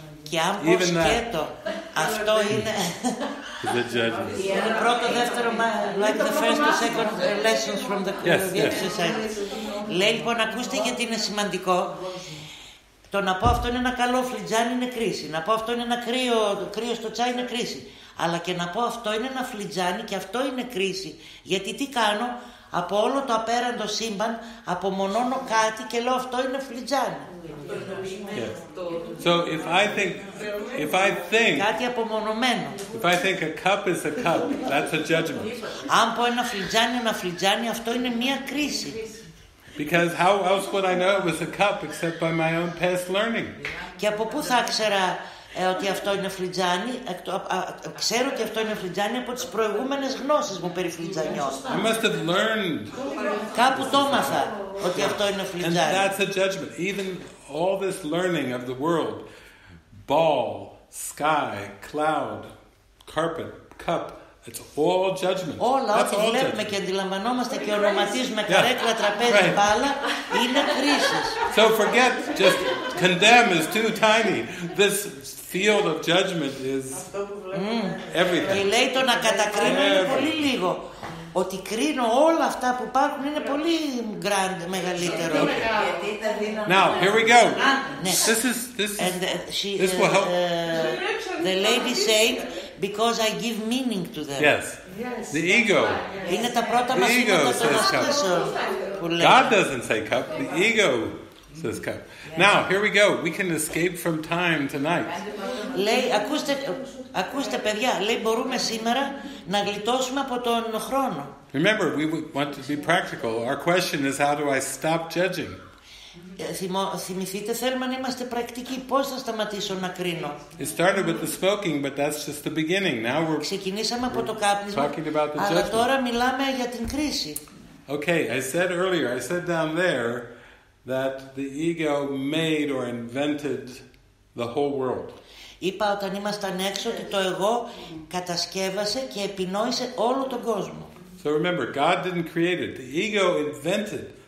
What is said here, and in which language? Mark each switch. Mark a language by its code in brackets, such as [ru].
[el] Και αν πω σκέτο, αυτό είναι. [en] The judgment. [el] Είναι πρώτο, δεύτερο, [en] like the first or second lessons from the exercise. [el] Λέει λοιπόν, ακούστε γιατί είναι σημαντικό. Το να πω αυτό είναι ένα καλό φλιτζάνι είναι κρίση. Να πω αυτό είναι ένα κρύο στο τσάι είναι κρίση. Αλλά και να πω αυτό είναι ένα φλιτζάνι και αυτό είναι κρίση. Γιατί τι κάνω, από όλο το απέραντο σύμπαν απομονώνω κάτι και λέω αυτό είναι φλιτζάνι. [en] Yes. So if I think [el] κάτι απομονωμένο. [en] If I think a cup is a cup, that's a judgment. [el] Αν πω ένα φλιτζάνι είναι ένα φλιτζάνι, αυτό είναι μια κρίση. [en] Because how else would I know it was a cup except by my own past learning? [el] Και από πού θα ξέρα ότι αυτό είναι φλιτζάνι; Ξέρω ότι αυτό είναι φλιτζάνι από τις προηγούμενες γνώσεις μου περί φλιτζανιών. [en] I must have learned. [el] Κάπου το έμαθα ότι αυτό είναι φλιτζάνι. [en] And that's a judgment. Even all this learning of the world, ball, sky, cloud, carpet, cup. It's all judgment. [el] Όλα ό,τι βλέπουμε και αντιλαμβανόμαστε και ονοματίζουμε καρέκλα, τραπέζι, μπάλα, είναι κρίσεις. [en] So forget, just condemn is too tiny. This field of judgment is everything. [el] Και λέει το να κατακρίνω είναι πολύ λίγο. Ότι κρίνω όλα αυτά που υπάρχουν είναι πολύ grand, μεγαλύτερο. [en] Okay. Now, here we go. This will help. The lady said, because I give meaning to them. Yes. The ego. [el] Είναι τα πρώτα μας είναι το τεράστιο που λέμε. [en] God doesn't say cup. The ego says cup. Now, here we go. We can escape from time tonight. [el] Λέει, ακούστε παιδιά, λέει μπορούμε σήμερα να γλιτώσουμε από τον χρόνο. [en] Remember, we want to be practical. Our question is, how do I stop judging? [el] Θυμηθείτε, θέλουμε να είμαστε πρακτικοί. Πώς θα σταματήσω να κρίνω? [en] It started with the smoking, but that's just the beginning. Now we're [el] ξεκινήσαμε από το κάπνισμα, αλλά τώρα μιλάμε για την κρίση. [en] Okay, I said earlier, I said down there that the ego made or invented the whole world. [el] Είπα όταν ήμασταν έξω ότι το εγώ κατασκεύασε και επινόησε όλο τον κόσμο. [en] So remember, God didn't create it. The ego invented